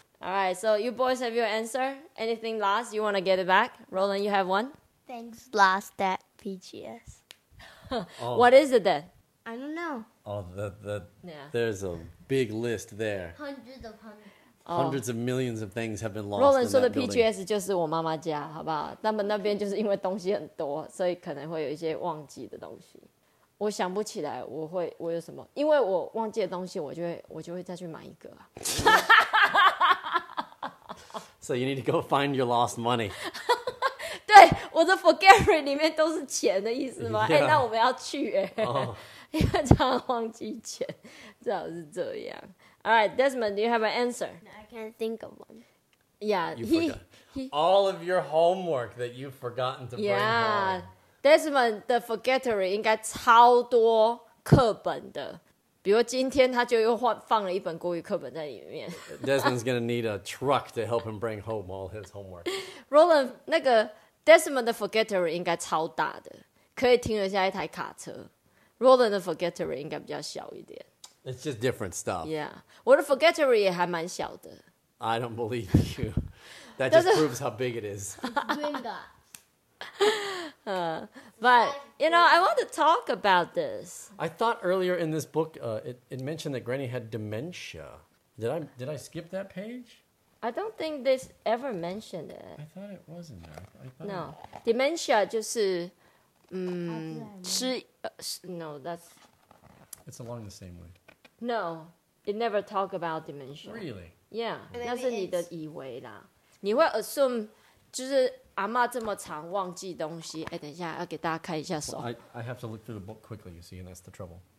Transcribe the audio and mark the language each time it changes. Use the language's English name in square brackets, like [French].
[English] All right, so you boys have your answer. Anything lost, you want to get it back? Roland, you have one? Things lost at PGS. 、 oh. What is it then? I don't know. Oh, the、 yeah. there's a big list there. Hundreds of hundreds. Hundreds of millions of things have been lost. [Chinese] Roland 说的 PGS 就是我妈妈家，好不好？他们那边就是因为东西很多，所以可能会有一些忘记的东西。我想不起来，我有什么？因为我忘记的东西，我就会再去买一个、啊。 [English] So you need to go find your lost money. [Chinese] 对，我的 Forgettery 里面都是钱的意思吗？哎、yeah. 欸，那我们要去哎、欸， oh. 因为常常忘记钱，最好是这样。 [English] All right, Desmond, do you have an answer? I can't think of one. Yeah, he all of your homework that you've forgotten to bring home. [Chinese] Desmond 的 Forgettery 应该超多课本的。比如今天他就又放了一本国语课本在里面。 [English] Desmond's gonna need a truck to help him bring home all his homework. [Chinese] Roland, 那个 Desmond 的 Forgettery 应该超大的，可以停得下一台卡车。 Roland 的 Forgettery 应该比较小一点。 [English] It's just different stuff. [Chinese] Yeah, 我的 Forgettery 也还蛮小的。 [English] I don't believe you. That just proves how big it is. But, you know, I want to talk about this. I thought earlier in this book, it mentioned that Granny had dementia. Did I skip that page? I don't think this ever mentioned it. I thought it was in there. No. Dementia [Chinese] 就是吃 [English] No, that's... It's along the same way. No. It never talk about dementia. Really? [Chinese] Yeah. 那是你的以为啦。你会 assume 就是阿嬷这么常忘记东西，哎，等一下，要给大家看一下手。 [English] Well, I have to look through the book quickly, you see, and that's the trouble.